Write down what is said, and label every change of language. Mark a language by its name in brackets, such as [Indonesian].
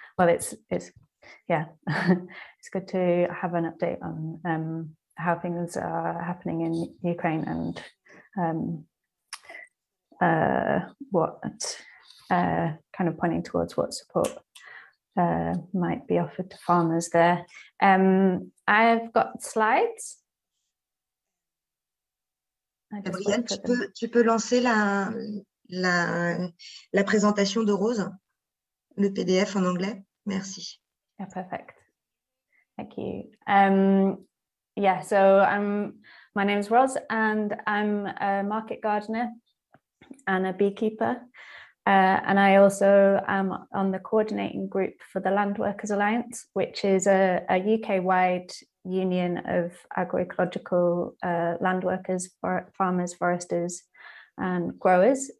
[English] Well, it's good to have an update on how things are happening in Ukraine and kind of pointing towards what support might be offered to farmers there. I've got slides. [French] Gabriel, tu peux lancer la présentation de Rose, le PDF en anglais. Merci. [English] Yeah, perfect. Thank you. So my name is Rose, and I'm a market gardener and a beekeeper. And I also am on the coordinating group for the Land Workers Alliance, which is a UK-wide union of agroecological land workers, farmers, foresters, and growers.